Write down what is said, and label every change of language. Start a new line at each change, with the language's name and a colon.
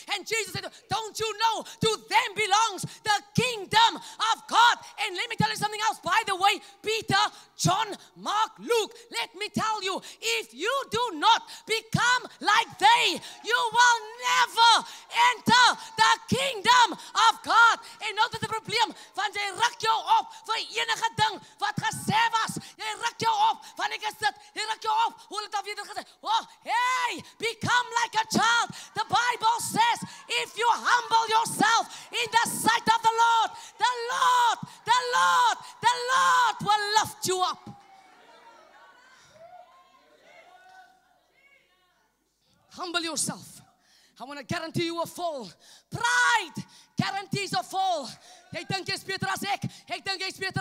English: And Jesus said, don't you know, to them belongs the kingdom of God. And let me tell you something else, by the way, Peter, John, Mark, Luke, let me tell you, if you do not become like they, you will never enter the kingdom of God.
Afrikaans: En nou dit 'n probleem, want jy ruk jou op vir enige ding wat gesê was. Jy ruk jou op, want ek is dit. Jy ruk jou op, hoe het David gesê?
English: Oh, hey, become like a child. The Bible says, if you humble yourself in the sight of the Lord, the Lord will lift you up. Humble yourself. I want to guarantee you a fall. Pride guarantees a fall. Hey, thank you, Peter. Hey, thank you, Peter.